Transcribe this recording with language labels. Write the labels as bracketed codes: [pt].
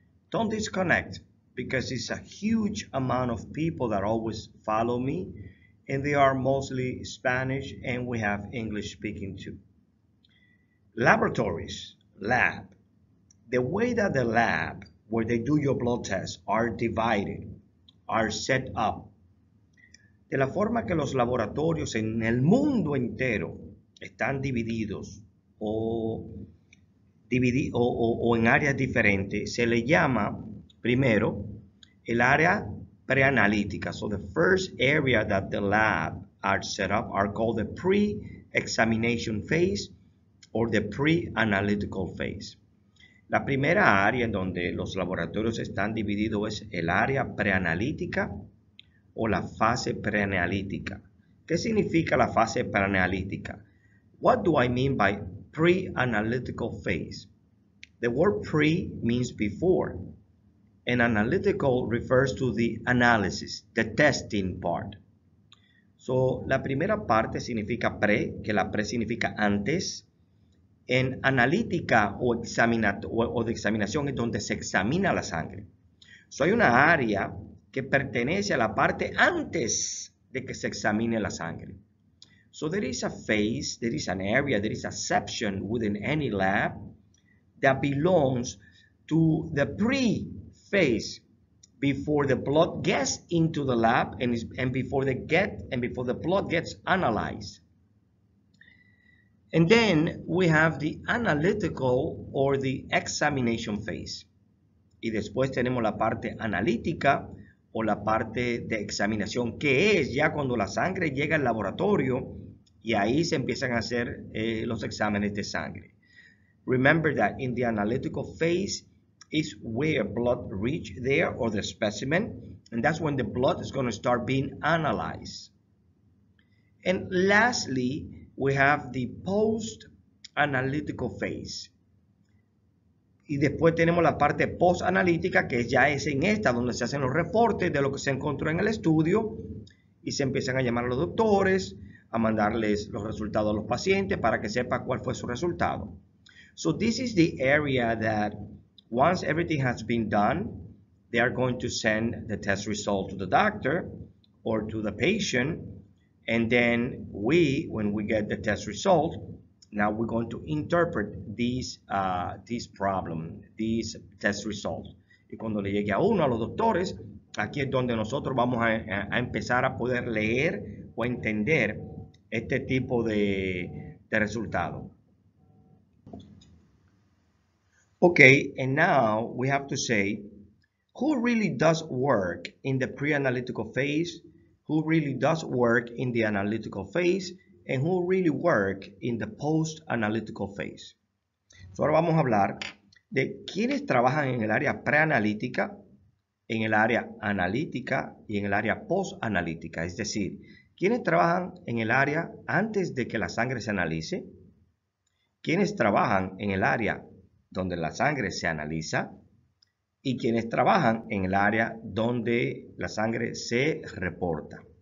[en] Don't disconnect, because it's a huge amount of people that always follow me, and they are mostly Spanish, and we have English speaking too. Laboratories. Lab. The way that the lab where they do your blood tests are divided, are set up. [es] De la forma que los laboratorios en el mundo entero están divididos o en áreas diferentes, se le llama primero el área preanalítica. [en] So the first area that the lab are set up are called the pre-examination phase or the pre-analytical phase. [es] La primera área en donde los laboratorios están divididos es el área preanalítica o la fase preanalítica. ¿Qué significa la fase preanalítica? [en] What do I mean by pre-analytical phase? The word pre means before, and analytical refers to the analysis, the testing part. So, [es] la primera parte significa pre, que la pre significa antes. En analítica o de examinación es donde se examina la sangre. [en] So [es] hay una área que pertenece a la parte antes de que se examine la sangre. [en] So there is a phase, there is an area, there is a section within any lab that belongs to the pre-phase before the blood gets into the lab and before the blood gets analyzed. And then we have the analytical or the examination phase. [es] Y después tenemos la parte analítica o la parte de examinación, que es ya cuando la sangre llega al laboratorio y ahí se empiezan a hacer los exámenes de sangre. [en] Remember that in the analytical phase is where blood reaches there or the specimen, and that's when the blood is going to start being analyzed. And lastly, we have the post-analytical phase. [es] Y después tenemos la parte post-analítica, que ya es en esta donde se hacen los reportes de lo que se encontró en el estudio y se empiezan a llamar a los doctores, a mandarles los resultados a los pacientes para que sepa cuál fue su resultado. [en] So this is the area that once everything has been done, they are going to send the test result to the doctor or to the patient. And then when we get the test result, now we're going to interpret this problem, this test result. [es] Y cuando le llegue a uno, a los doctores, aquí es donde nosotros vamos a empezar a poder leer o entender este tipo de resultado. [en] Okay, and now we have to say, who really does work in the pre-analytical phase? Who really does work in the analytical phase? And who really work in the post-analytical phase? So [es] ahora vamos a hablar de quienes trabajan en el área preanalítica, en el área analítica y en el área post-analítica. Es decir, quienes trabajan en el área antes de que la sangre se analice, quienes trabajan en el área donde la sangre se analiza y quienes trabajan en el área donde la sangre se reporta.